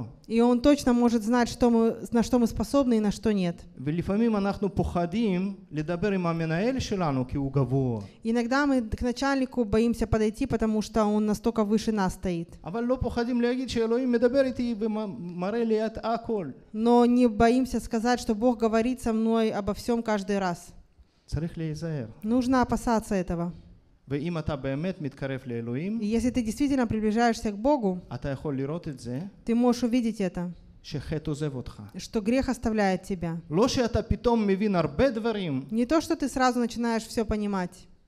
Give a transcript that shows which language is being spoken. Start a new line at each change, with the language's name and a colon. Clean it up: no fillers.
Russian: И Он точно может знать, что мы, на что мы способны и на что нет.
Hebrew: ולפעמים אנחנו פוחדים לדבר עם המנהל שלנו כי הוא גבוה.
Russian: Иногда мы к начальнику боимся подойти, потому что он настолько выше нас стоит.
Hebrew: אבל לא פוחדים להגיד שאלוהים מדבר איתי ומראה לי את הכל.
Russian: Но не боимся сказать, что Бог говорит со мной обо всем каждый раз.
Hebrew: צריך להיזהר.
Russian: Нужно опасаться этого.
Hebrew: ואם אתה באמת מתקרב לאלוהים,
Russian: если ты действительно приближаешься к Богу,
Hebrew: אתה יכול לראות את זה,
Russian: ты можешь увидеть это. Что грех оставляет тебя. Не то, что ты сразу начинаешь все понимать.